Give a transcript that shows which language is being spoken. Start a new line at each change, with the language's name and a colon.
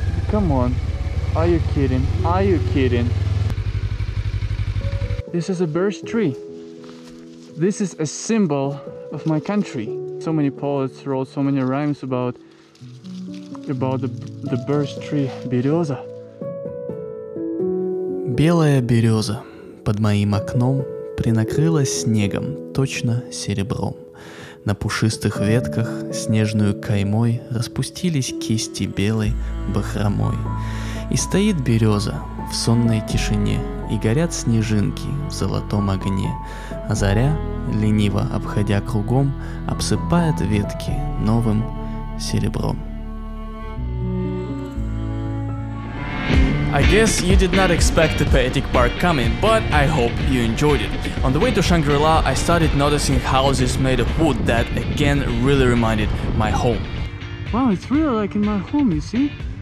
English: Come on. Are you kidding? Are you kidding? This is a birch tree. This is a symbol of my country. So many poets wrote so many rhymes about the birch tree, берёза.
Russian: Белая берёза под моим окном принакрылась снегом, точно серебром. На пушистых ветках снежную каймой распустились кисти белой бахромой. И стоит берёза в сонной тишине, и горят снежинки в золотом огне, а заря, лениво обходя кругом, обсыпает ветки новым серебром.
English: I guess you did not expect the poetic part coming, but I hope you enjoyed it. On the way to Shangri-La, I started noticing houses made of wood that again really reminded my home. Wow, it's really like in my home, you see?